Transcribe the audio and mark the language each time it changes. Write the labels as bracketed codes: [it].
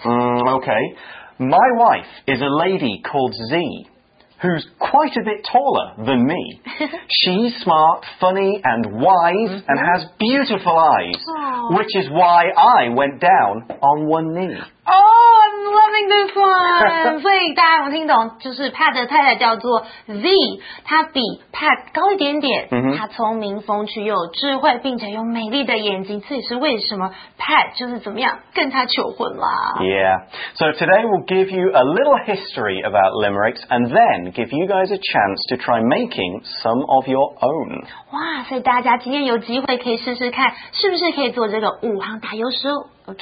[en] Okay. My wife is a lady called Z, who's quite a bit taller than me. She's smart, funny, and wise, and has beautiful eyes, which is why I went down on one knee. Oh, I'm loving this one! [zh] 所以大家有听懂，就是 Pat 的太太叫做 Z， 她比 Pat 高一点点，她聪明、风趣又有智慧，并且有美丽的眼睛，这也是为什么 Pat 就是怎么样跟她求婚啦。 [en] Yeah, so today we'll give you a little history about limericks and then give you guys a chance to try making some of your own. [zh] 哇，所以大家今天有机会可以试试看，是不是可以做这个五行打油诗 ？OK.